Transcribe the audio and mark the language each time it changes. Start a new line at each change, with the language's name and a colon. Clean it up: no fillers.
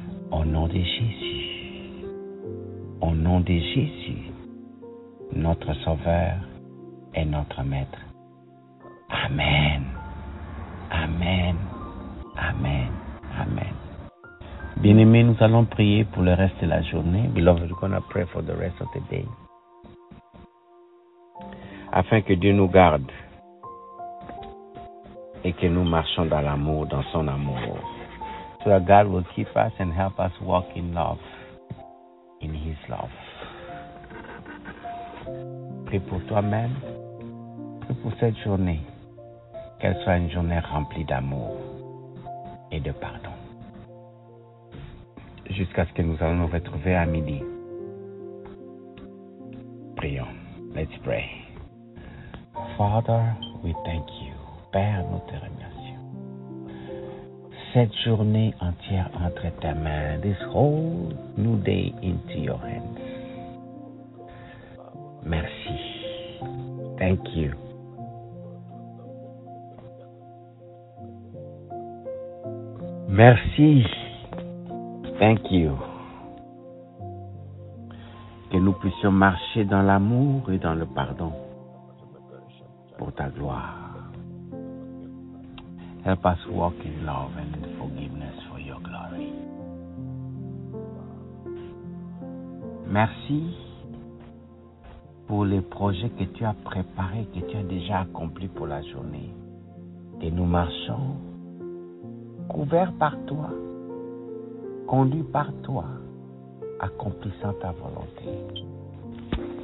French: Au nom de Jésus, au nom de Jésus, notre Sauveur et notre Maître. Amen. Amen. Amen. Amen. Bien-aimés, nous allons prier pour le reste de la journée.
English: Beloved, we're going to pray for the rest of the day.
French: Afin que Dieu nous garde et que nous marchions dans l'amour, dans son amour.
English: So that God will keep us and help us walk in love, in His love.
French: Prie pour toi-même, prie pour cette journée, qu'elle soit une journée remplie d'amour et de pardon. Jusqu'à ce que nous allons nous retrouver à midi. Prions.
English: Let's pray. Father, we thank you.
French: Père, nous te remercions. Cette journée entière entre tes mains.
English: This whole new day into your hands.
French: Merci.
English: Thank you.
French: Merci.
English: Thank you.
French: Que nous puissions marcher dans l'amour et dans le pardon. Pour ta gloire.
English: Help us walk in love and forgiveness for your glory.
French: Merci pour les projets que tu as préparés, que tu as déjà accomplis pour la journée. Et nous marchons couverts par toi, conduits par toi, accomplissant ta volonté.